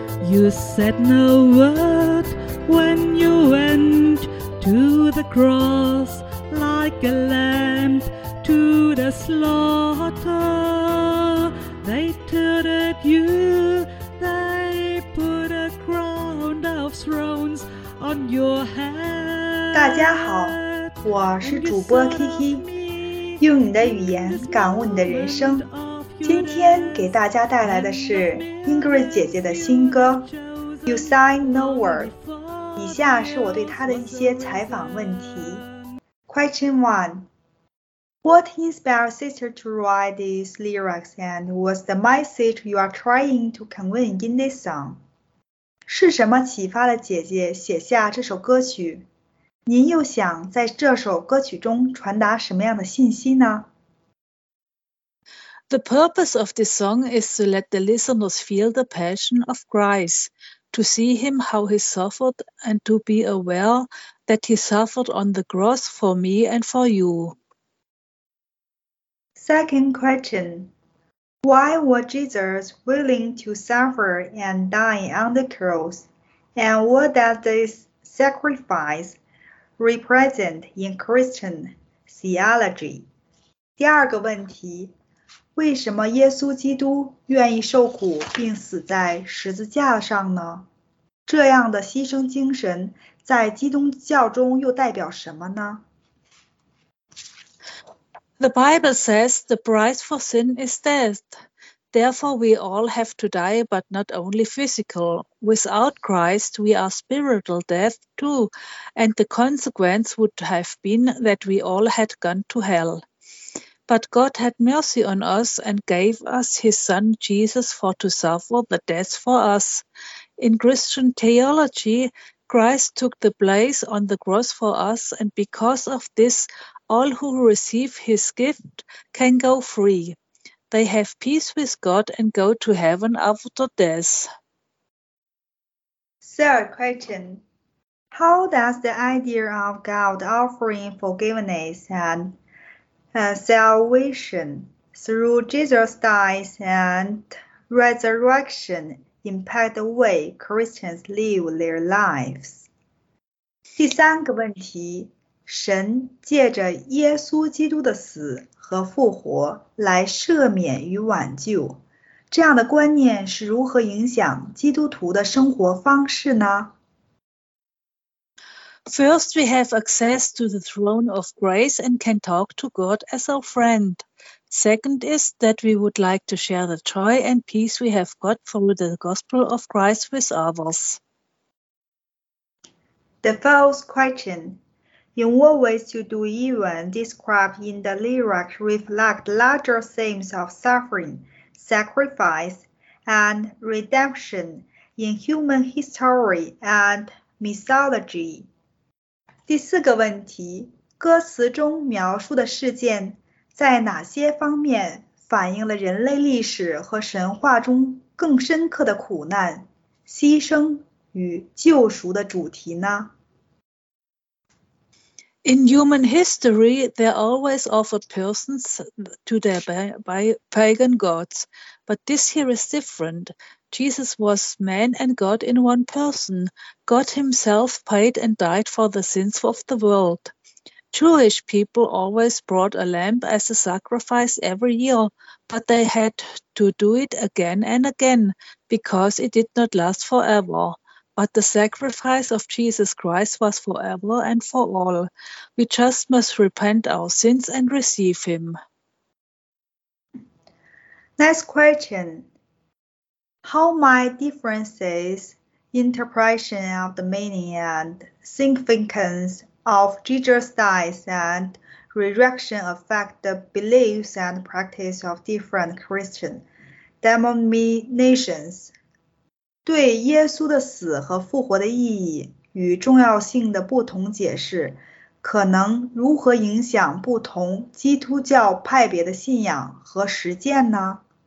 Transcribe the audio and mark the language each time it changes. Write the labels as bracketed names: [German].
[English] You said no word when you went to the cross, like a lamb to the slaughter. They tilted you, they put a crown of thorns on your head. [Chinese] 大家好，我是主播 Kiki， 用你的语言感悟你的人生。今天给大家带来的是 Ingrid 姐姐的新歌 You Sign No Word。以下是我对她的一些采访问题。 [English] Question 1. What inspired sister to write these lyrics and what's the message you are trying to convey in this song? [Chinese] 是什么启发了姐姐写下这首歌曲？您又想在这首歌曲中传达什么样的信息呢？ [English] The purpose of this song is to let the listeners feel the passion of Christ, to see him how he suffered and to be aware that he suffered on the cross for me and for you. Second question. Why was Jesus willing to suffer and die on the cross? And what does this sacrifice represent in Christian theology? [Chinese] 第二个问题。为什么耶稣基督愿意受苦并死在十字架上呢？这样的牺牲精神在基督教中又代表什么呢？ [English] The Bible says the price for sin is death. Therefore, we all have to die, but not only physical. Without Christ, we are spiritual death too, and the consequence would have been that we all had gone to hell. But God had mercy on us and gave us his son Jesus for to suffer the death for us. In Christian theology, Christ took the place on the cross for us, and because of this, all who receive his gift can go free. They have peace with God and go to heaven after death. Third question. How does the idea of God offering forgiveness andSalvation through Jesus' death and resurrection impact the way Christians live their lives. [Chinese] 第三个问题，神借着耶稣基督的死和复活来赦免与挽救，这样的观念是如何影响基督徒的生活方式呢？ [English] First, we have access to the throne of grace and can talk to God as our friend. Second is that we would like to share the joy and peace we have got through the gospel of Christ with others. The fourth question. In what ways do even describe in the lyrics reflect larger themes of suffering, sacrifice, and redemption in human history and mythology? [Chinese] 第四个问题，歌词中描述的事件在哪些方面反映了人类历史和神话中更深刻的苦难、牺牲与救赎的主题呢？ [English] In human history, they always offered persons to their pagan gods, but this here is different. Jesus was man and God in one person. God himself paid and died for the sins of the world. Jewish people always brought a lamb as a sacrifice every year, but they had to do it again and again because it did not last forever. But the sacrifice of Jesus Christ was forever and for all. We just must repent our sins and receive him. Next question. How might differences, interpretation of the meaning and significance of Jesus' death and resurrection affect the beliefs and practice of different Christian denominations? [Chinese] 对耶稣的死和复活的意义与重要性的不同解释，可能如何影响不同基督教派别的信仰和实践呢？